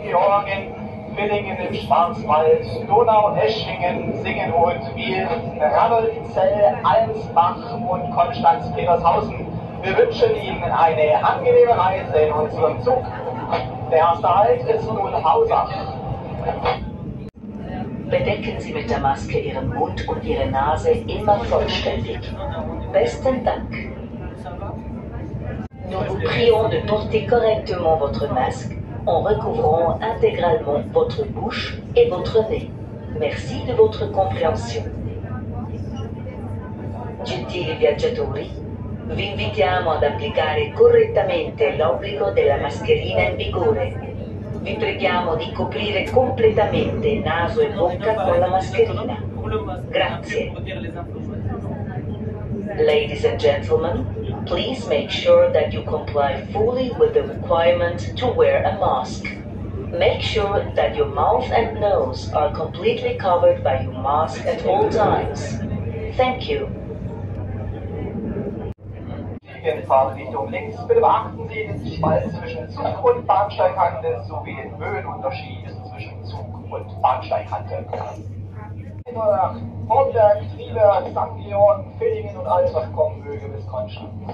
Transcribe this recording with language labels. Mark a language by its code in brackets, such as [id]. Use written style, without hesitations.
[de] Georgen, Villingen im Schwarzwald, Donau, Eschingen, Singenhut, Wiel, Radolfzell, Almsbach und Konstanz-Petershausen. Wir wünschen Ihnen eine angenehme Reise in unserem Zug. Der erste Halt ist nun Hauser. Bedecken Sie mit der Maske Ihren Mund und Ihre Nase immer vollständig. Besten Dank. [fr] Nous vous prions de porter correctement votre masque en recouvrant intégralement votre bouche et votre nez. Merci de votre compréhension. [it] Gentili viaggiatori, vi invitiamo ad applicare correttamente l'obbligo della mascherina in vigore. Vi preghiamo di coprire completamente naso e bocca con la mascherina. Grazie. [en] Ladies and gentlemen, please make sure that you comply fully with the requirement to wear a mask. Make sure that your mouth and nose are completely covered by your mask at all times. Thank you. [de] In Fahrtrichtung links, bitte beachten Sie den Spalt zwischen Zug und Bahnsteigkante sowie den Höhenunterschied zwischen Zug und Bahnsteigkante. Nach Hornberg, Trieberg, St. Georg, Villingen und alles, was kommen möge, bis Konstanz.